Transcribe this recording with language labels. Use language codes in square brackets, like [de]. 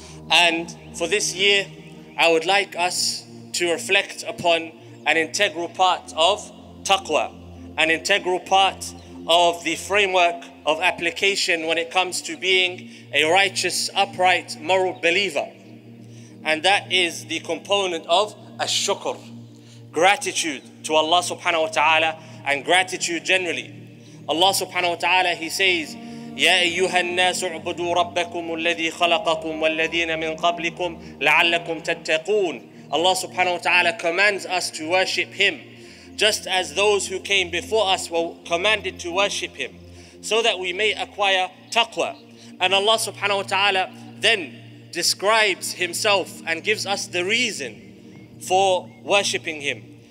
[en] And for this year, I would like us to reflect upon an integral part of taqwa, an integral part of the framework of application when it comes to being a righteous, upright, moral believer. And that is the component of ash-shukr, gratitude to Allah subhanahu wa ta'ala, and gratitude generally. Allah subhanahu wa ta'ala, He says, [ar] يَا أَيُّهَا النَّاسُ اعْبُدُوا رَبَّكُمُ الَّذِي خَلَقَكُمْ وَالَّذِينَ مِنْ قَبْلِكُمْ لَعَلَّكُمْ تَتَّقُونَ. [en] Allah subhanahu wa ta'ala commands us to worship Him, just as those who came before us were commanded to worship Him, so that we may acquire taqwa. And Allah subhanahu wa ta'ala then describes Himself and gives us the reason for worshipping Him.